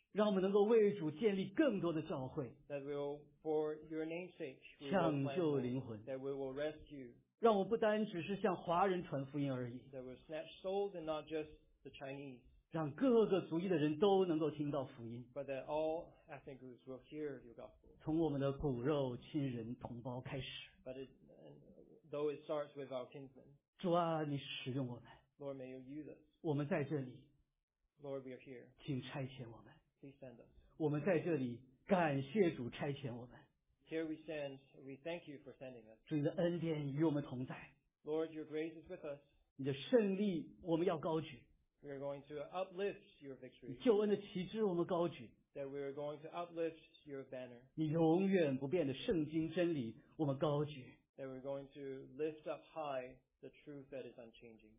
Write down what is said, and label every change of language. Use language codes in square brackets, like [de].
[zh] 让我们能够为主建立更多的教会。 [en] That will, for your name's sake, [zh] 抢救灵魂。 [en] That we will rescue. [zh] 让我不单只是向华人传福音而已。 [en] That will snatch souls and not just the Chinese. [zh] 让各个族裔的人都能够听到福音。 [en] But that all ethnic groups will hear your gospel. [zh] 从我们的骨肉亲人同胞开始。 [en] But it, though it starts with our kinsmen. [zh] 主啊，你使用我们。 [en] Lord, may you use us. [zh] 我们在这里。 [en] Lord, we are here. [zh] 请差遣我们。 [en] Please send us. [zh] 我们在这里，感谢主差遣我们。 [en] Here we stand. We thank you for sending us. [zh] 主你的恩典与我们同在。 [en] Lord, your grace is with us. [zh] 你的胜利我们要高举。 [en] We are going to uplift your victory. [zh] 救恩的旗帜我们高举。 [en] That we are going to uplift your banner. [zh] 你永远不变的圣经真理，我们高举。 [en] That we are going to lift up high the truth that is unchanging.